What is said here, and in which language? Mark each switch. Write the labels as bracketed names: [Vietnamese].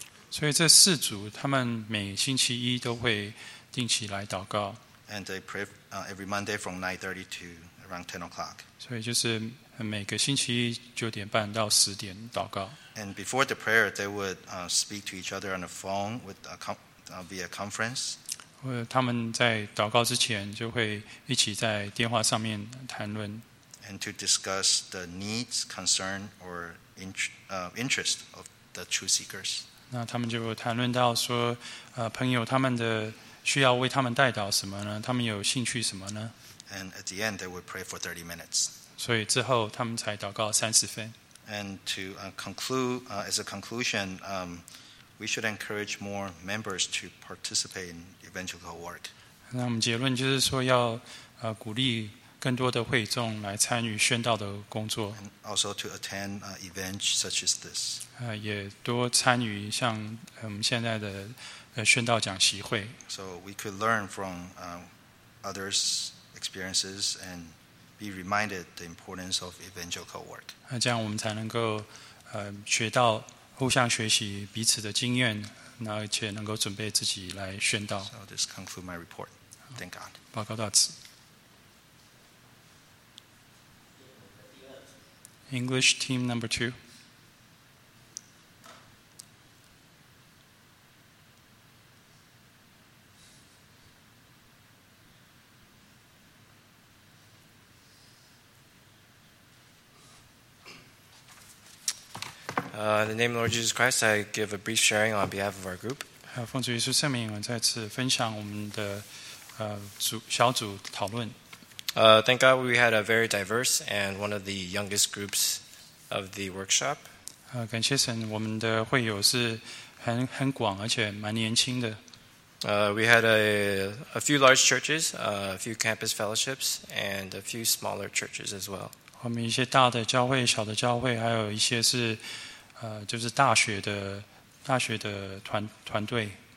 [Chinese] 所以这四组他们每星期一都会定期来祷告。 [English] And they pray every Monday from 9:30 to around 10 o'clock. [Chinese] 所以就是每个星期一九点半到十点祷告。 [English] And before the prayer, they would speak to each other on the phone with via conference. [Chinese] 或者他们在祷告之前就会一起在电话上面谈论。 [English] And to discuss the needs, concern, or interest of the true seekers. [Chinese] 那他们就谈论到说，朋友他们的需要为他们代祷什么呢？他们有兴趣什么呢 [English] ？And at the end, they would pray for 30 minutes. [Chinese] 所以之后他们才祷告三十分。 [English] And to conclude, as a conclusion, we should encourage more members to participate in evangelical work. [Chinese] 那我们结论就是说要鼓励。更多的会众来参与宣道的工作 [English] ，and also to attend events such as this. [Chinese] 也多参与像我们现在的宣道讲习会。 [English] So we could learn from others' experiences and be reminded the importance of evangelical work. [Chinese] 这样我们才能够学到互相学习彼此的经验，那而且能够准备自己来宣道。 [English] So this concludes my report. Thank God. [Chinese] 报告到此。 [English] English team number two. In the name of Lord Jesus Christ, I give a brief sharing on behalf of our group. [Chinese] 奉主耶稣圣名，我再次分享我们的小组讨论。 [English] Thank God we had a very diverse and one of the youngest groups of the workshop. [Chinese] 感谢神，我们的会友是很广，而且蛮年轻的。 [English] We had a few large churches, a few campus fellowships, and a few smaller churches as well. [Chinese] 我们一些大的教会、小的教会，还有一些是就是大学的团队。